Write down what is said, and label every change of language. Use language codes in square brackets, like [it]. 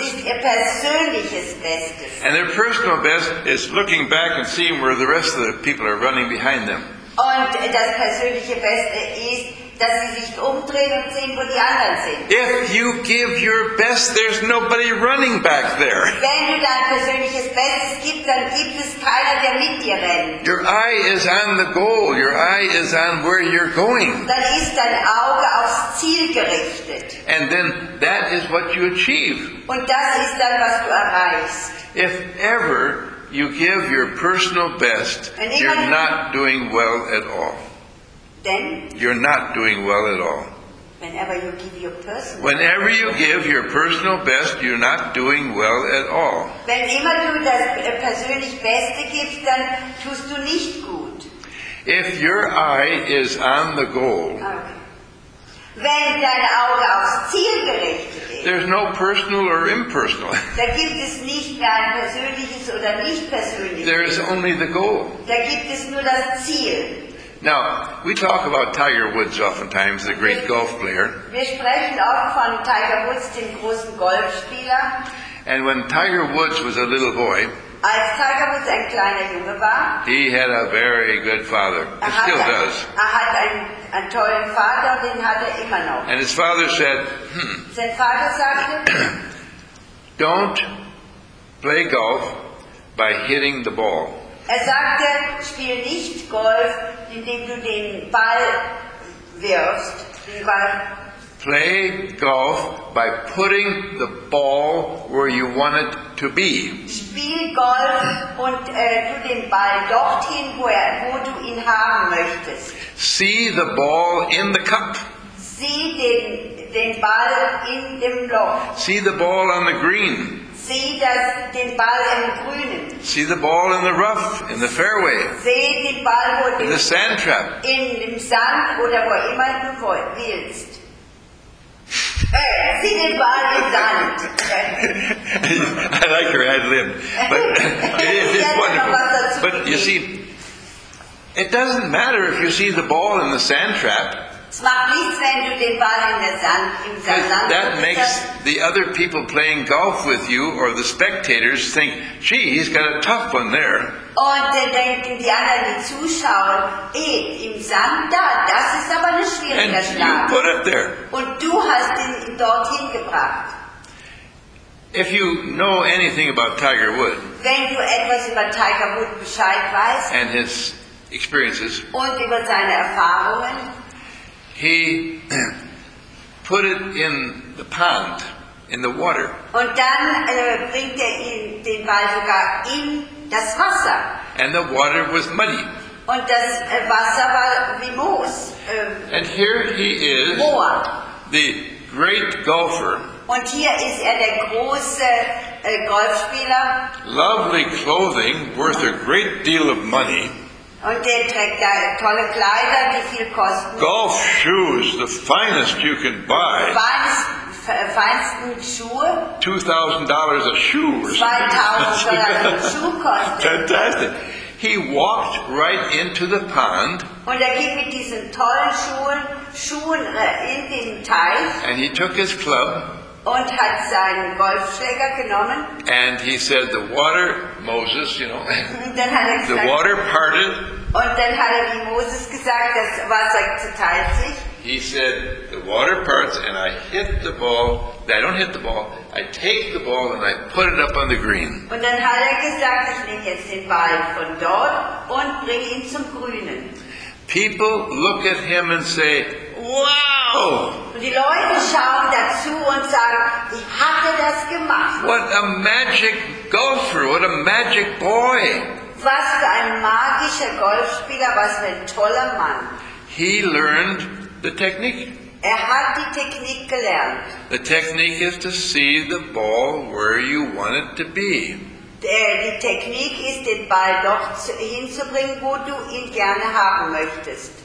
[de] Es ist ihr persönliches Bestes. [en] And their personal best is looking back and seeing where the rest of the people are running behind them. [de] Und das persönliche Beste ist, dass sie sich umdrehen und sehen, wo die anderen sind. [en] If you give your best, there's nobody running back there. [de] Wenn du dein persönliches Bestes gibst, dann gibt es keiner, der mit dir rennt. [en] Your eye is on the goal. Your eye is on where you're going. [de] Dann ist dein Auge aufs Ziel gerichtet. [en] And then that is what you achieve. [de] Und das ist dann, was du erreichst. [en] If ever you give your personal best, you're not doing well at all. Then, you're not doing well at all. Whenever you give your personal best, you're not doing well at all. [de] Wenn immer du das persönlich Beste gibst, dann tust du nicht gut. [en] If your eye is on the goal, [de] wenn dein Auge aufs Ziel gerichtet ist, [en] there's no personal or impersonal. [de] Da gibt es nicht mehr ein persönliches oder nicht persönliches. [en] There is only the goal. [de] Da gibt es nur das Ziel. [en] Now, we talk about Tiger Woods oftentimes, the great golf player. [de] Wir sprechen oft von Tiger Woods, dem großen Golfspieler. [en] And when Tiger Woods was a little boy, [de] als Tiger Woods ein kleiner Junge war, [en] he had a very good father. He still does. [de] Er hat einen tollen Vater, den hat er immer noch. [en] And his father said, [de] sein Vater sagte, [en] don't play golf by hitting the ball. [de] Er sagte, spiel nicht Golf, indem du den Ball wirfst. [en] Play golf by putting the ball where you want it to be. [de] Spiel Golf und tu den Ball dorthin, wo du ihn haben möchtest. [en] See the ball in the cup. [de] Sieh den Ball in dem Loch. [en] See the ball on the green. [de] Sieh den Ball im Grünen. [en] See the ball in the rough, in the fairway. [de] Sieh den Ball, wo [en] in the sand trap. [de] In dem Sand oder wo immer du willst. Sieh den Ball im Sand. [en] I like your ad lib. But it's wonderful. But you see, it doesn't matter if you see the ball in the sand trap. [de] Es macht nichts, wenn du den Ball in der Sand, im Sand. [en] That makes the other people playing golf with you or the spectators think, gee, he's got a tough one there. [de] Und dann denken die anderen, die zuschauen, im Sand da, das ist aber ein schwieriger [en] and [de] Schlag. [en] You put it there. [de] Und du hast ihn dorthin gebracht. [en] If you know anything about Tiger Woods, [de] wenn du etwas über Tiger Woods Bescheid weißt, [en] and his experiences, [de] und über seine Erfahrungen, [en] he put it in the pond, in the water. [de] Und dann bringt den Ball sogar in das Wasser. [en] And the water was muddy. [de] Und das Wasser war wie Moos. [en] And here he is, [de] Moor. [en] The great golfer. [de] Und hier ist der große Golfspieler. [en] Lovely clothing, worth a great deal of money. [de] Und er trägt da tolle Kleider, die viel kosten. [en] Golf shoes, the finest you can buy. [de] Feinsten Schuhe. [en] $2,000 a shoe. $2,000 a shoe [de] kostet. [en] Fantastic. He walked right into the pond. [de] Und er ging mit diesen tollen Schuhen in den Teich. [en] And he took his club. [de] Und hat seinen Golfschläger genommen. [en] And he said, the water, Moses, you know, [de] dann hat er gesagt, [en] the water parted. [de] Und dann hat er wie Moses gesagt, das Wasser zerteilt sich. [en] He said, the water parts and I hit the ball. I don't hit the ball. I take the ball and I put it up on the green. [de] Und dann hat er gesagt, ich nehme jetzt den Ball von dort und bringe ihn zum Grünen. [en] People look at him and say, wow! [de] Und die Leute schauen dazu und sagen, wie hat das gemacht? [en] What a magic golfer, what a magic boy. [de] Was für ein magischer Golfspieler, was für ein toller Mann. [en] He learned the technique. [de] Er hat die Technik gelernt. [en] The technique is to see the ball where you want it to be. [de] Die Technik ist, den Ball dort hinzubringen, wo du ihn gerne haben möchtest.